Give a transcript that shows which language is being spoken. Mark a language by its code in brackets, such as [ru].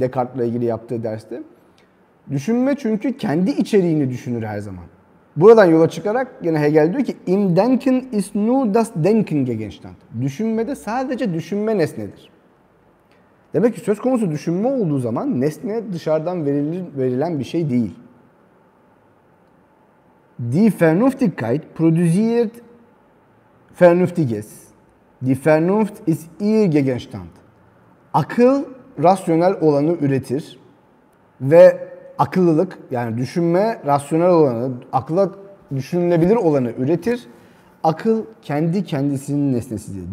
[tr] Descartes'le ilgili yaptığı derste. Düşünme çünkü kendi içeriğini düşünür her zaman. Buradan yola çıkarak yine Hegel diyor ki [de] Im denken ist nur das denken gegenstand. [tr] Düşünmede sadece düşünme nesnedir. Demek ki söz konusu düşünme olduğu zaman nesne dışarıdan verilen bir şey değil. [de] Die Vernunftigkeit produziert Vernünftiges. Die Vernunft ist ihr Gegenstand. [tr] Akıl rasyonel olanı üretir ve akıllılık, yani düşünme rasyonel olanı, akla düşünülebilir olanı üretir. Akıl kendi kendisinin nesnesidir.